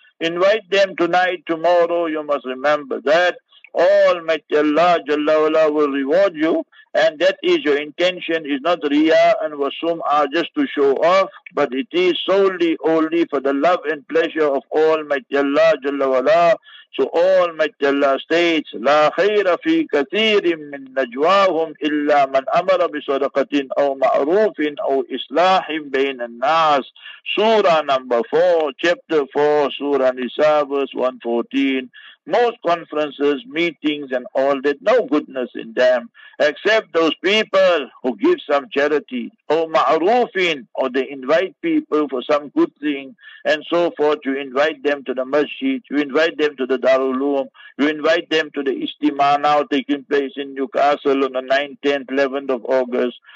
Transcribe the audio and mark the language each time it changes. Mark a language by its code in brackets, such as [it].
[en] Invite them tonight, tomorrow, you must remember that. Almighty Allah Jalla Wala will reward you, and that is your intention. Is not riya and wasum'ah just to show off, but it is solely only for the love and pleasure of Almighty Allah Jalla Wala. So Almighty Allah states, [ar] لا خير في كثير من نجواهم إلا من أمر بصدقة أو معروف أو إصلاح بين الناس. [en] Surah number 4, chapter 4, Surah Nisa, verse 114. Most conferences, meetings and all that, no goodness in them, except those people who give some charity, or ma'roofin, or they invite people for some good thing, and so forth. You invite them to the masjid, you invite them to the Darulum, you invite them to the istima now taking place in Newcastle on the 9th, 10th, 11th of August.